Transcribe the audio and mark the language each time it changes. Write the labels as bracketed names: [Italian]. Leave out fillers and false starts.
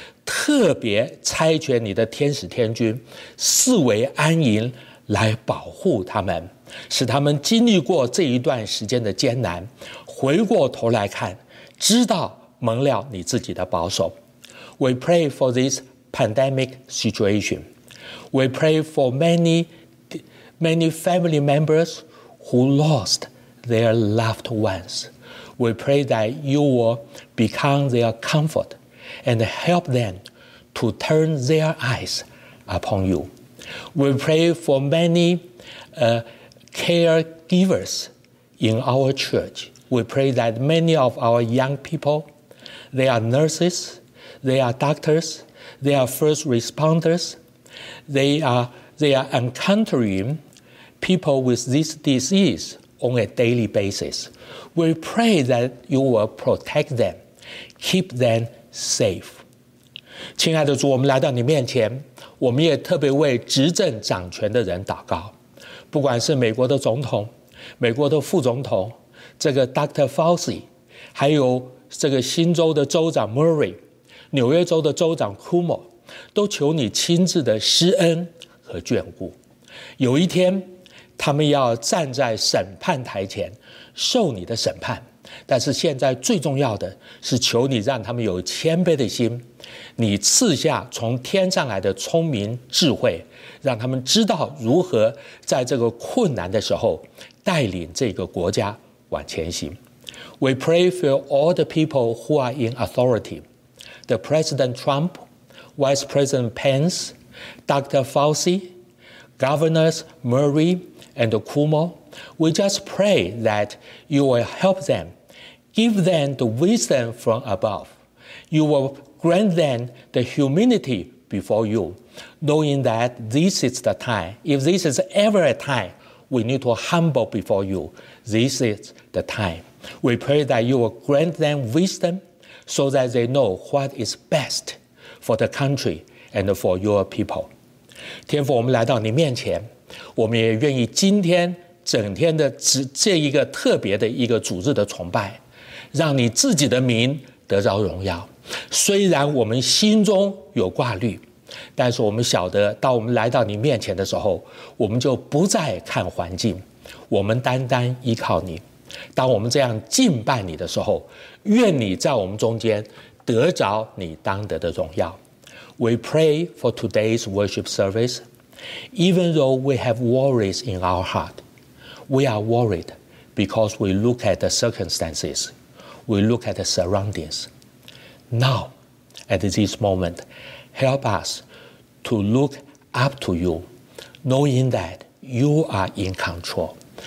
[Chinese] 特别差遣你的天使天君四围安营来保护他们，使他们经历过这一段时间的艰难，回过头来看知道蒙了你自己的保守。 [English] We pray for this pandemic situation. We pray for many family members who lost their loved ones. We pray that you will become their comfort and help them to turn their eyes upon you. We pray for many caregivers in our church. We pray that many of our young people, they are nurses, they are doctors, they are first responders, they are encountering people with this disease on a daily basis. We pray that you will protect them, Keep them safe。 [Chinese] 亲爱的主，我们来到你面前，我们也特别为执政掌权的人祷告，不管是美国的总统、美国的副总统这个 Dr. Fauci， 还有这个新州的州长 Murray， 纽约州的州长 Cuomo， 都求你亲自的施恩和眷顾。有一天他们要站在审判台前受你的审判，但是现在最重要的是求你让他们有谦卑的心，你赐下从天上来的聪明智慧，让他们知道如何在这个困难的时候带领这个国家往前行。 [English] We pray for all the people who are in authority, the President Trump, Vice President Pence, Dr. Fauci, Governors Murray and Cuomo. We just pray that you will help them, give them the wisdom from above. You will grant them the humility before you, knowing that this is the time. If this is ever a time we need to humble before you, this is the time. We pray that you will grant them wisdom so that they know what is best for the country and for your people. [Chinese] 天父，我们来到你面前，我们也愿意今天整天的这一个特别的一个主日的崇拜，让你自己的名得着荣耀。虽然我们心中有挂虑，但是我们晓得当我们来到你面前的时候，我们就不再看环境，我们单单依靠你。当我们这样敬拜你的时候，愿你在我们中间得着你当得的荣耀。 [English] We pray for today's worship service. Even though we have worries in our heart, we are worried because we look at the circumstances, we look at the surroundings. Now, at this momentHelp us to look up to you, knowing that you are in control.